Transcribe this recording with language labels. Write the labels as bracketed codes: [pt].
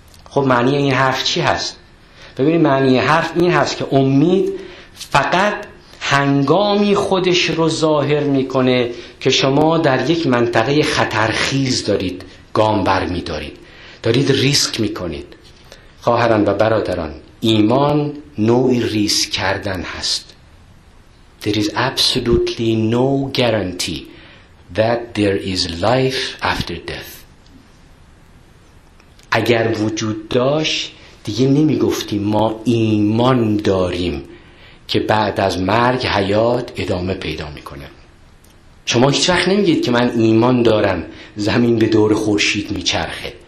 [fa] خب معنی این حرف چی هست؟ ببینید معنی حرف این هست که امید فقط هنگامی خودش رو ظاهر میکنه که شما در یک منطقه خطرخیز دارید گام بر می دارید، دارید ریسک می کنید. خواهران و برادران، ایمان نوعی ریسک کردن هست. [en] There is absolutely no guarantee that there is life after death. [fa] اگر وجود داشت دیگه نمی گفتیم ما ایمان داریم که بعد از مرگ حیات ادامه پیدا می کنه. شما هیچ وقت نمیگید که من ایمان دارم زمین به دور خورشید میچرخه.